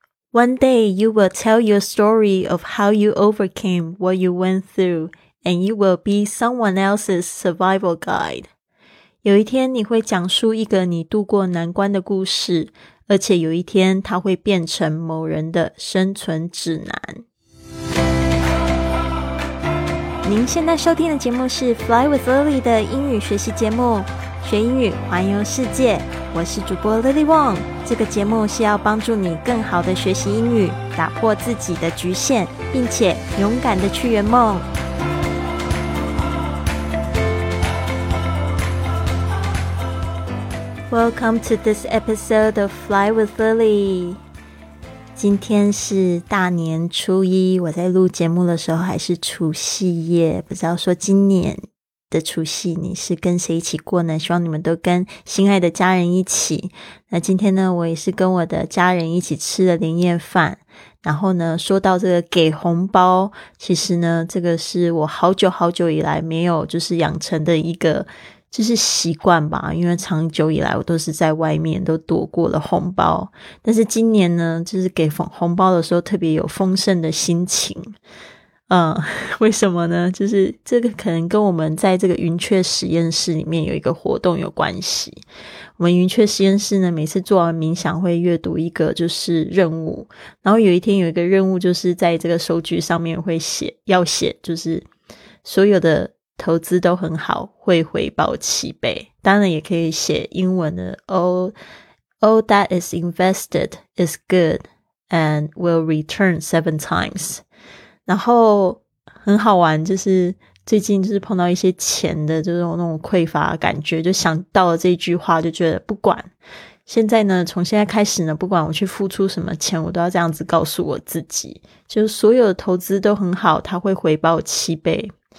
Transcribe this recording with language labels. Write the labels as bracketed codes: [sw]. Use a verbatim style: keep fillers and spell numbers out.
[en] One day you will tell your story of how you overcame what you went through, and you will be someone else's survival guide. [zh] 有一天你会讲述一个你度过难关的故事，而且有一天它会变成某人的生存指南。您现在收听的节目是 Fly with Lily 的英语学习节目，学英语环游世界。我是主播 Lily Wong， 这个节目是要帮助你更好的学习英语，打破自己的局限，并且勇敢的去圆梦。 [en] Welcome to this episode of Fly with Lily。 [zh] 今天是大年初一，我在录节目的时候还是除夕夜，不知道说今年的除夕你是跟谁一起过呢？希望你们都跟心爱的家人一起。那今天呢，我也是跟我的家人一起吃了年夜饭。然后呢，说到这个给红包，其实呢，这个是我好久好久以来没有就是养成的一个就是习惯吧，因为长久以来我都是在外面都躲过了红包，但是今年呢，就是给红包的时候特别有丰盛的心情。嗯，为什么呢？就是这个可能跟我们在这个云雀实验室里面有一个活动有关系。我们云雀实验室呢，每次做完冥想会阅读一个就是任务，然后有一天有一个任务就是在这个收据上面会写，要写就是所有的投资都很好，会回报七倍。当然也可以写英文的 [en] all, all that is invested is good and will return seven times。 [zh] 然后很好玩，就是最近就是碰到一些钱的就是那种匮乏感觉，就想到了这一句话，就觉得不管现在呢，从现在开始呢，不管我去付出什么钱，我都要这样子告诉我自己，就是所有的投资都很好，它会回报七倍。